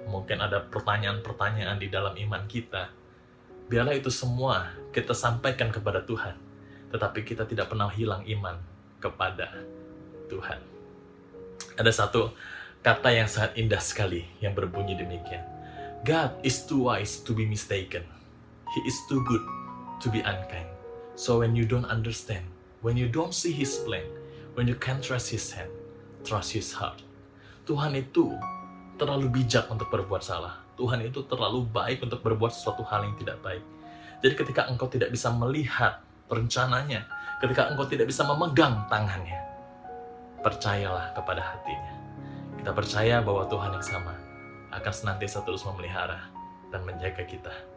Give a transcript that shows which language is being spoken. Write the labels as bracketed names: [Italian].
[Indonesian] Mungkin ada pertanyaan-pertanyaan di dalam iman kita. Biarlah itu semua kita sampaikan kepada Tuhan. Tetapi kita tidak pernah hilang iman kepada Tuhan. Ada satu kata yang sangat indah sekali yang berbunyi demikian. [English] God is too wise to be mistaken. He is too good to be unkind. So when you don't understand, when you don't see his plan, when you can't trust his hand, trust his heart. [Indonesian] Tuhan itu terlalu bijak untuk berbuat salah. Tuhan itu terlalu baik untuk berbuat sesuatu hal yang tidak baik. Jadi ketika engkau tidak bisa melihat rencananya, ketika engkau tidak bisa memegang tangannya, percayalah kepada hatinya. Kita percaya bahwa Tuhan yang sama akan senantiasa terus memelihara dan menjaga kita.